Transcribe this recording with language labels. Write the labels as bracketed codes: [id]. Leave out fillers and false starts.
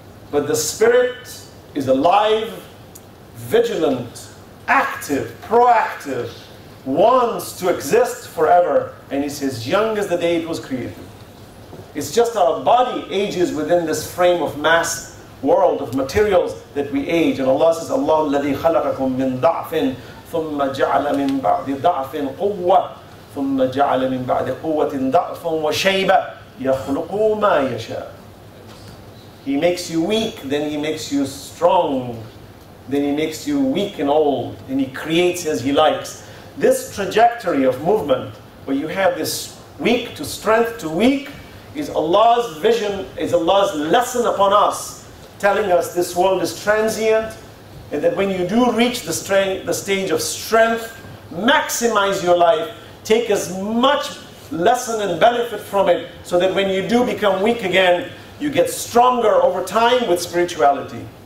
[en] But the spirit is alive, vigilant, active, proactive, wants to exist forever, and it's as young as the day it was created. It's just our body ages within this frame of mass world of materials that we age. And Allah says, [ar] Allah الذي خلقكم من ضعف ثم جعل من بعد ضعف قوة ثم جعل من بعد قوة ضعف وشيبة يخلق ما يشاء. [en] He makes you weak, then He makes you strong, then He makes you weak and old, and He creates as He likes. This trajectory of movement, where you have this weak to strength to weak, is Allah's vision, is Allah's lesson upon us, telling us this world is transient, and that when you do reach the stage of strength, maximize your life, take as much lesson and benefit from it, so that when you do become weak again, you get stronger over time with spirituality.